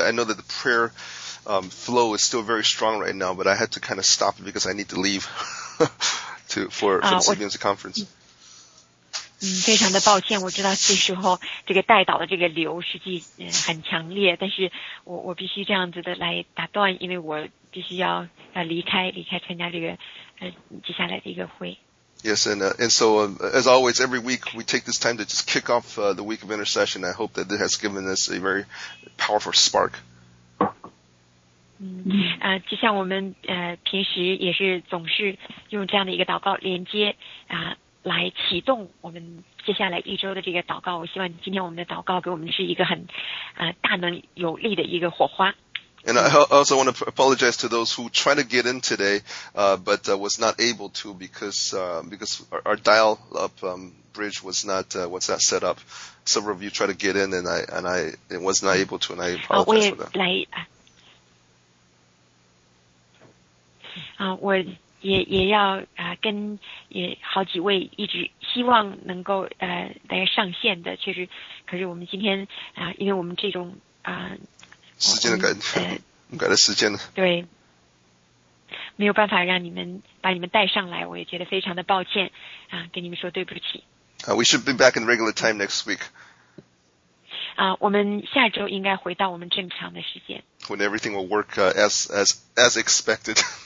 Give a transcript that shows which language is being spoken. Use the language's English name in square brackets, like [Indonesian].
[English] I know that the prayer flow is still very strong right now, but I had to kind of stop because I need to leave for the CBMC conference. [Chinese] 非常的抱歉，我知道这时候这个带导的这个流实际很强烈，但是我必须这样子的来打断，因为我必须要离开参加这个接下来的一个会。 [English] Yes, and so as always, every week we take this time to just kick off the week of intercession. I hope that this has given us a very powerful spark. [Chinese] 就像我们平时也是总是用这样的一个祷告连接来启动我们接下来一周的这个祷告，我希望今天我们的祷告给我们是一个很大能有力的一个火花。 [English] And I also want to apologize to those who tried to get in today, but was not able to because our dial up bridge was not what's that set up. Several of you tried to get in, and I was not able to, and I apologize for that. [Chinese] 我也要跟好几位一直希望能够来上线的，确实，可是我们今天因为我们这种时间的改了时间了，对，没有办法让你们把你们带上来，我也觉得非常的抱歉啊，跟你们说对不起。 [English] We should be back in regular time next week. [Chinese] 我们下周应该回到我们正常的时间。 [English] When everything will work as expected.